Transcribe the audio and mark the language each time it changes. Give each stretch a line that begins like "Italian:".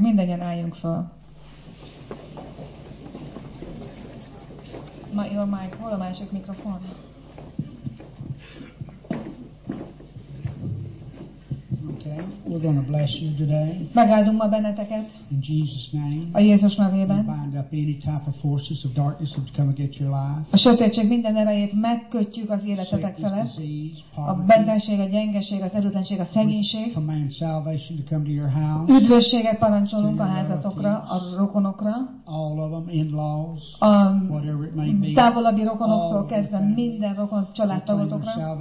Hungarian: Mindennyien álljunk fel. Jó, Mike, hol a másik mikrofon?
English: Okay. We're going to bless you today.
Hungarian: Megáldunk ma benneteket.
English: In Jesus' name.
Hungarian: A Jézus nevében.
English: We bind up any type of forces of darkness to come and get your life.
Hungarian: A sötétség minden erejét megkötjük az életetek felett. A bentenség, a gyengeség, az erőtlenség, a szegénység.
English: We command salvation to come to your house.
Hungarian: Üdvösséget parancsolunk a házatokra, a rokonokra.
English: All of them, in-laws, whatever it may be.
Hungarian: Távolabbi rokonoktól kezdve minden rokon családtagotokra.